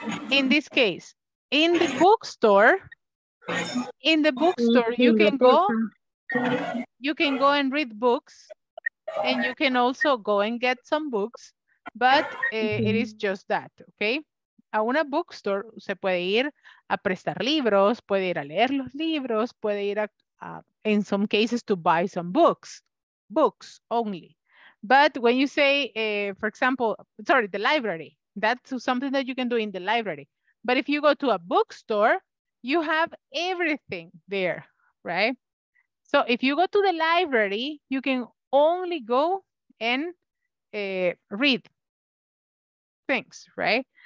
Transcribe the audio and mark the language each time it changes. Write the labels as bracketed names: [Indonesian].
[English] In this case, in the bookstore, you can go and read books, and you can also go and get some books. But it is just that, okay? [Spanish] A una bookstore se puede ir a prestar libros, puede ir a leer los libros, puede ir a [English] in some cases to buy some books only. But when you say, for example, sorry, the library, that's something that you can do in the library. But if you go to a bookstore, you have everything there, right? So if you go to the library, you can only go and read things, right?